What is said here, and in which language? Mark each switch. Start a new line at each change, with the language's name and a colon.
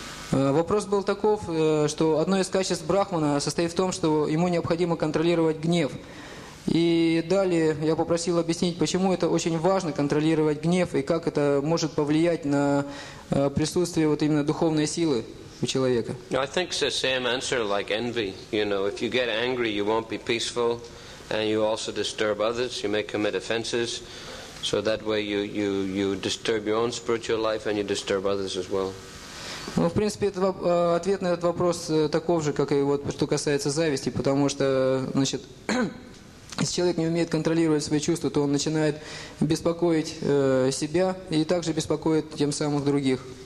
Russian: Вопрос был таков, что одно из качеств Брахмана состоит в том, что ему необходимо контролировать гнев. И далее я попросил объяснить, почему это очень важно контролировать гнев и как это может повлиять на присутствие вот именно духовной силы у человека.
English: I think it's the same answer like envy. You know, if you get angry, you won't be peaceful, and you also disturb others. You may commit offenses, so that way you disturb your own spiritual life and you disturb others as well.
Russian: Ну, в принципе, это, ответ на этот вопрос таков же, как и вот что касается зависти, потому что, значит, если человек не умеет контролировать свои чувства, то он начинает беспокоить себя и также беспокоит тем самым других.